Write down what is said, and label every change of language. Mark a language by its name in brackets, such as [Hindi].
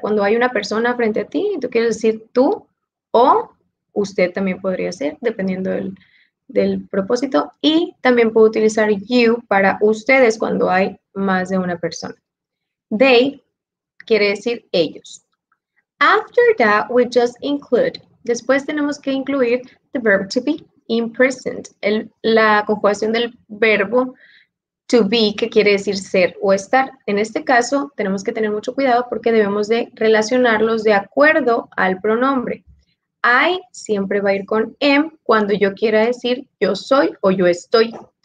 [Spanish] Cuando hay una persona frente a ti, tú quieres decir tú o usted también podría ser, dependiendo del propósito. Y también puedo utilizar you para ustedes cuando hay más de una persona. They, quiere decir ellos. [English] After that, we just include. [Spanish] Después tenemos que incluir [English] the verb to be in present. [Spanish] La conjugación del verbo to be, que quiere decir ser o estar. En este caso, tenemos que tener mucho cuidado porque debemos de relacionarlos de acuerdo al pronombre. I siempre va a ir con am cuando yo quiera decir yo soy o yo estoy.